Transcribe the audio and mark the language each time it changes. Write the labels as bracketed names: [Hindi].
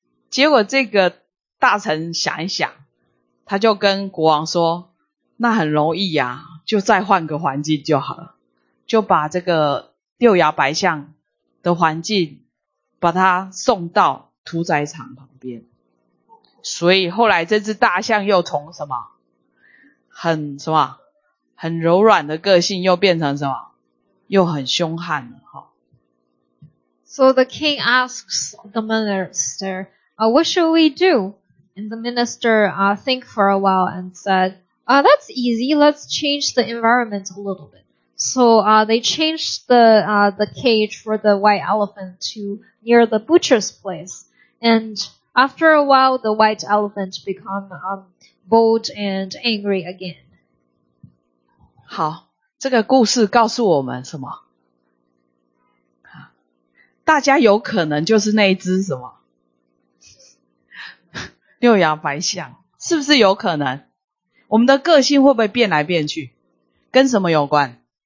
[Chinese] 结果这个大臣想一想，他就跟国王说：“那很容易啊，就再换个环境就好了，就把这个六牙白象的环境把它送到屠宰场旁边。” 所以后来这只大象又从什么很什么很柔软的个性，又变成什么又很凶悍了。 [English] So the king asks the minister, what should we do? And the minister think for a while and said, that's easy, let's change the environment a little bit. So they changed the cage for the white elephant to near the butcher's place. And after a while, the white elephant become bold and angry again. [Chinese] 好，这个故事告诉我们什么？大家有可能就是那一只什么六牙白象，是不是有可能？我们的个性会不会变来变去？跟什么有关？